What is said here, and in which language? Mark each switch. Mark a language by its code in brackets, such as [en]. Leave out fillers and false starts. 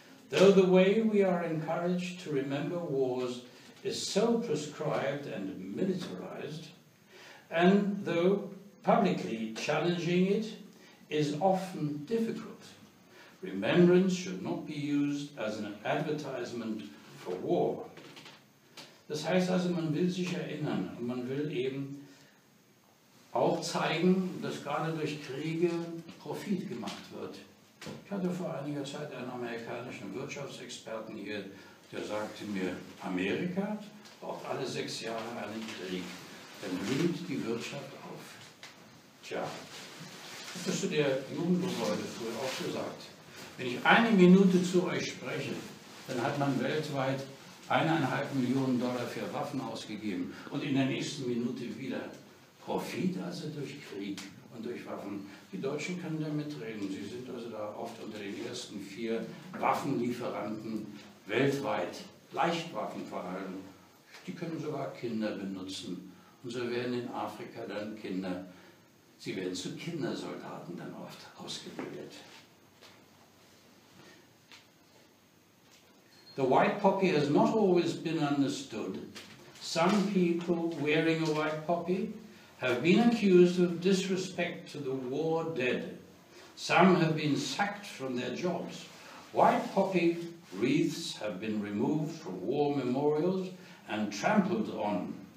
[en] Though the way we are encouraged to remember wars is so prescribed and militarized, and though publicly challenging it is often difficult, remembrance should not be used as an advertisement for war. [de] Das heißt also, man will sich erinnern und man will eben auch zeigen, dass gerade durch Kriege Profit gemacht wird. Ich hatte vor einiger Zeit einen amerikanischen Wirtschaftsexperten hier, der sagte mir, Amerika braucht alle 6 Jahre einen Krieg, dann blüht die Wirtschaft auf. Tja, das hast du der Jugendlichen heute früh auch gesagt. Wenn ich eine Minute zu euch spreche, dann hat man weltweit 1,5 Millionen Dollar für Waffen ausgegeben und in der nächsten Minute wieder. Profit also durch Krieg und durch Waffen. Die Deutschen können damit reden. Sie sind also da oft unter den ersten 4 Waffenlieferanten weltweit. Leichtwaffen vor allem. Die können sogar Kinder benutzen. Und so werden in Afrika dann Kinder, sie werden zu Kindersoldaten dann oft ausgebildet. [en] The white poppy has not always been understood. Some people wearing a white poppy have been accused of disrespect to the war dead. Some have been sacked from their jobs. White poppy wreaths have been removed from war memorials and trampled on.